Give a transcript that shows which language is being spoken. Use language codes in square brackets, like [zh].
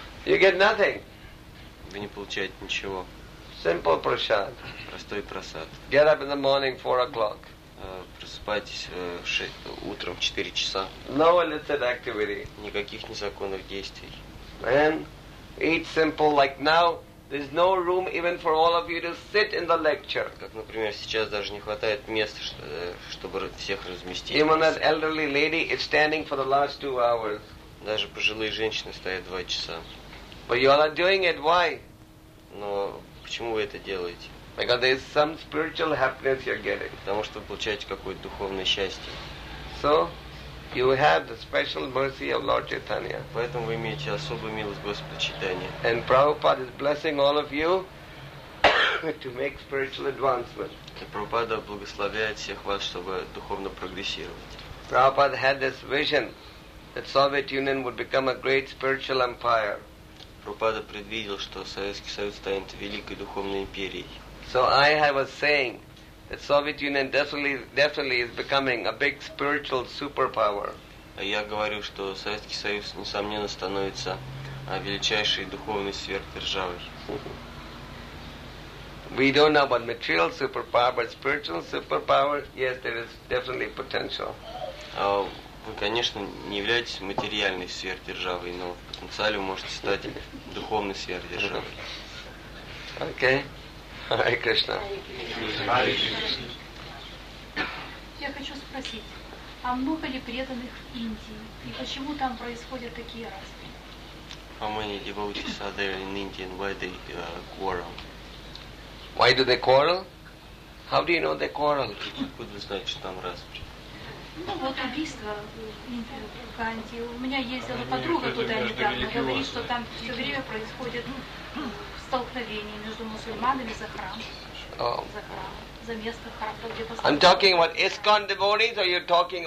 [en] You get nothing. [ru] Вы не получаете ничего. [en] Simple prasad. [ru] Простой просад. [en] Get up in the morning 4 o'clock. [ru] Просыпайтесь утром 4 часа. [en] No illicit activity. [ru] Никаких незаконных действий. [en] And eat simple like now. There's no room even for all of you to sit in the lecture. [ru] Как, например, сейчас даже не хватает места, чтобы всех разместить. [en] Even that elderly lady is standing for the last 2 hours. [ru] Даже пожилые женщины стоят 2 часа. [en] But you're not doing it. Why? [ru] Но почему вы это делаете? [en] Because there's some spiritual happiness you're getting. [ru] Потому что вы получаете какое-то духовное счастье. [en] So you have the special mercy of Lord Chaitanya. [ru] Поэтому вы имеете особую милость Господа Чайтанья. [en] And Prabhupada is blessing all of you to make spiritual advancement. [ru] И Прабхупада благословляет всех вас, чтобы духовно прогрессировать. [en] Prabhupada had this vision that Soviet Union would become a great spiritual empire. [ru] Прабхупада предвидел, что Советский Союз станет великой духовной империей. [en] So I was saying that Soviet Union definitely is becoming a big spiritual superpower. [ru] Я говорю, что Советский Союз несомненно становится величайшей духовной сверхдержавой. [en] We don't know about material superpower, but spiritual superpower, yes, there is definitely potential. [ru] Вы, конечно, не являетесь материальной сверхдержавой, но в потенциале можете стать духовной сверхдержавой. [en] Okay. Hare Krishna. [ru] Я хочу спросить, а много ли преданных в Индии? И почему там происходят такие распри? [en] How many devotees are there in India and why they quarrel? Why do they quarrel? How do you know they quarrel? [ru] Откуда вы знаете, что там распри? Ну вот убийство в Ганди. У меня ездила подруга туда недавно, говорит, что там все время происходит столкновение между мусульманами за храм. [en] Oh. [ru] За место храма. [en] I'm talking about ISKCON devotees, or you're talking